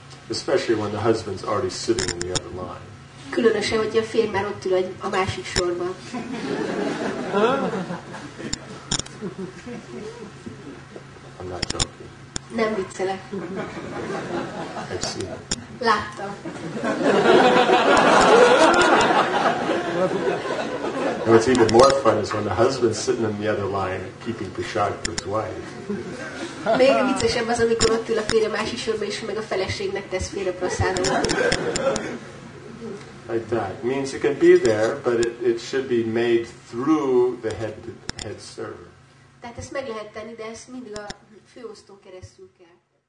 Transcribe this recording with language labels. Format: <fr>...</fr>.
<en>Especially when the husband's already sitting in the other line.</en> <hu>Különösen, hogy a férj már ott ül a másik sorban.</hu> <en>I'm not joking.</en> <hu>Nem viccelek.</hu> <en>I've seen it.</en> <hu>Láttam.</hu> <en>And what's even more fun is when the husband's sitting in the other line keeping prasad for his wife.</en> <hu>Még viccesebb az, amikor ott ül a férje másik sorba, és meg a feleségnek tesz félre prasádot.</hu> <en>Like that. Means it can be there, but it should be made through the head server.</en> <hu>Tehát ezt meg lehet tenni, de ezt mindig a főosztó keresztül kell.</hu>